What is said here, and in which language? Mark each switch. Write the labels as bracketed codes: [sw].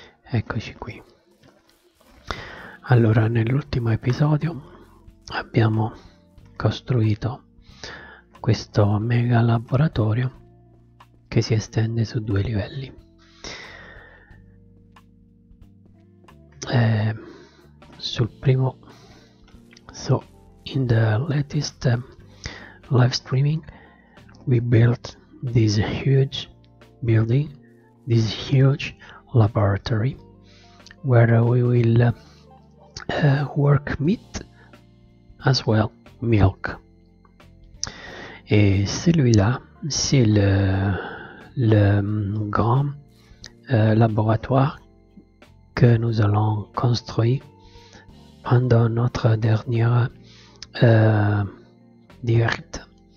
[it] Eccoci qui. Allora, nell'ultimo episodio abbiamo costruito questo mega laboratorio che si estende su due livelli. sul primo, [en] so in the latest live streaming we built this huge building, this huge laboratory where we will work meat as well milk. [fr] Et celui-là, c'est le grand laboratoire que nous allons construire pendant notre dernière directe.